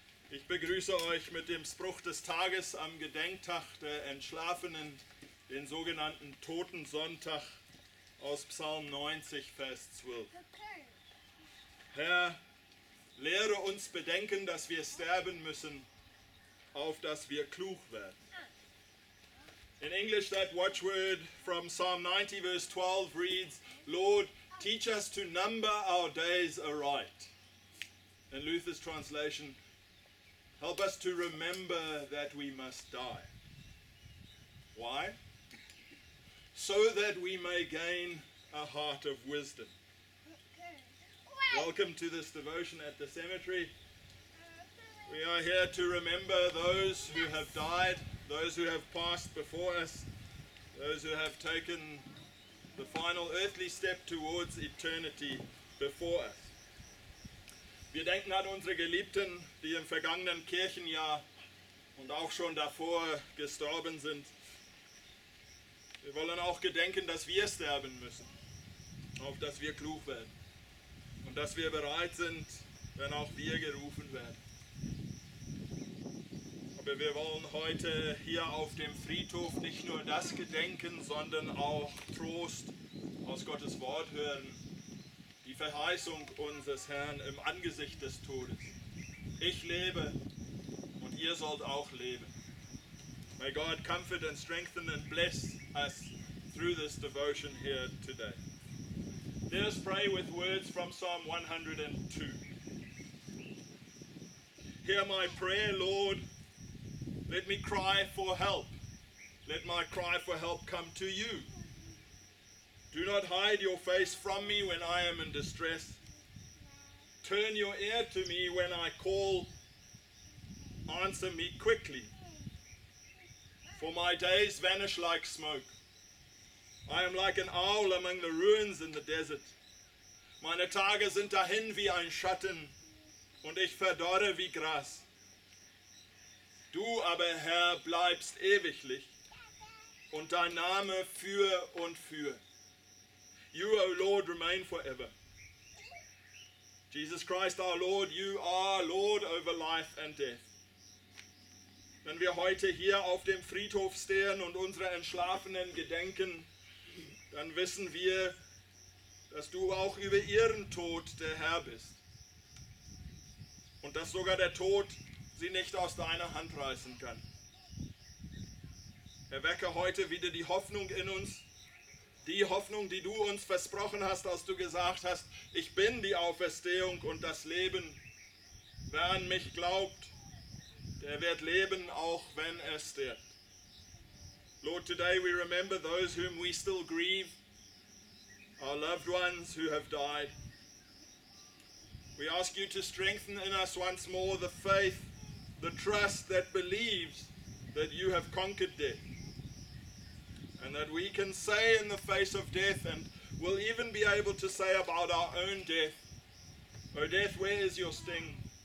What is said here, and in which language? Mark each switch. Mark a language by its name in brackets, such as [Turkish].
[German] Ich begrüße euch mit dem Spruch des Tages am Gedenktag der Entschlafenen, den sogenannten Totensonntag aus Psalm 90, Vers 12. Herr, lehre uns bedenken, dass wir sterben müssen, auf dass wir klug werden. [English] In English, that watchword from Psalm 90, verse 12 reads, Lord, teach us to number our days aright. In Luther's translation, help us to remember that we must die. Why? So that we may gain a heart of wisdom. Welcome to this devotion at the cemetery. We are here to remember those who have died, those who have passed before us, those who have taken the final earthly step towards eternity before us. [German] Wir denken an unsere Geliebten, die im vergangenen Kirchenjahr und auch schon davor gestorben sind. Wir wollen auch gedenken, dass wir sterben müssen, auf dass wir klug werden und dass wir bereit sind, wenn auch wir gerufen werden. Aber wir wollen heute hier auf dem Friedhof nicht nur das gedenken, sondern auch Trost aus Gottes Wort hören. Die Verheißung unseres Herrn im Angesicht des Todes. Ich lebe und ihr sollt auch leben. [English] May God comfort and strengthen and bless us through this devotion here today. Let us pray with words from Psalm 102. Hear my prayer, Lord. Let me cry for help. Let my cry for help come to you. Do not hide your face from me when I am in distress. Turn your ear to me when I call. Answer me quickly. For my days vanish like smoke. I am like an owl among the ruins in the desert. [German] Meine Tage sind dahin wie ein Schatten und ich verdorre wie Gras. Du aber, Herr, bleibst ewiglich und dein Name für und für. [English] You, O Lord, remain forever. Jesus Christ, our Lord, you are Lord over life and death. [German] Wenn wir heute hier auf dem Friedhof stehen und unsere Entschlafenen gedenken, dann wissen wir, dass du auch über ihren Tod der Herr bist. Und dass sogar der Tod sie nicht aus deiner Hand reißen kann. Erwecke heute wieder die Hoffnung in uns, die Hoffnung, die du uns versprochen hast, als du gesagt hast, ich bin die Auferstehung und das Leben. Wer an mich glaubt, der wird leben, auch wenn er stirbt. [English] Lord, today we remember those whom we still grieve, our loved ones who have died. We ask you to strengthen in us once more the faith, the trust that believes that you have conquered death, and that we can say in the face of death, and will even be able to say about our own death, O death, where is your sting?